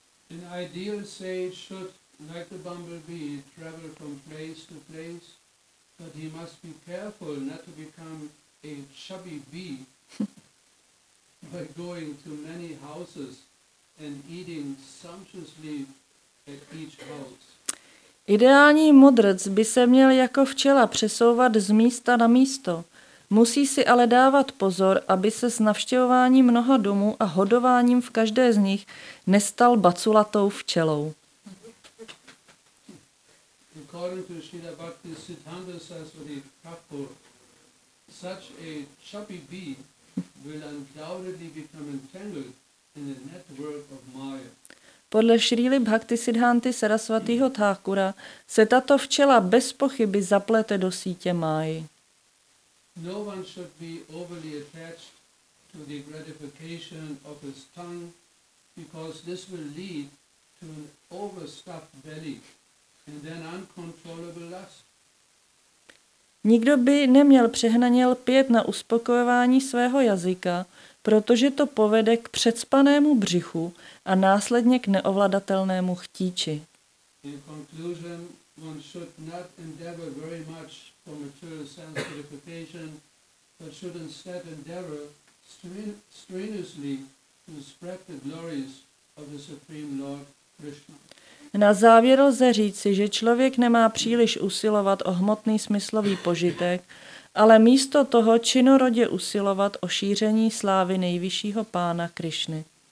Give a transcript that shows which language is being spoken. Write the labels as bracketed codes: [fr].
[en] An ideal sage should, like the bumblebee, travel from place to place, but he must be careful not to become a chubby bee by going to many houses and eating sumptuously at each house. [cs] Ideální mudrc by se měl jako včela přesouvat z místa na místo. Musí si ale dávat pozor, aby se s navštěvováním mnoha domů a hodováním v každé z nich nestal baculatou včelou. [en] According to Srila Bhakti Siddhanta Saraswati Thakur, such a chubby bee will undoubtedly become entangled in a network of Maya. [cs] Podle Šríly Bhakti Siddhanty Sarasvatýho Thakura se tato včela bez pochyby zaplete do sítě máji. [en] No one should be overly attached to the gratification of his tongue, because this will lead to an overstuffed belly and then uncontrollable lust. [cs] Nikdo by neměl přehnaně lpět na uspokojování svého jazyka, protože to povede k předspanému břichu a následně k neovladatelnému chtíči. [en] In conclusion, one should not endeavor very much for material sense gratification, but should instead endeavor strenuously to spread the glories of the Supreme Lord Krishna. [cs] Na závěr lze říci, že člověk nemá příliš usilovat o hmotný smyslový požitek, ale místo toho činorodě usilovat o šíření slávy nejvyššího pána Krišny.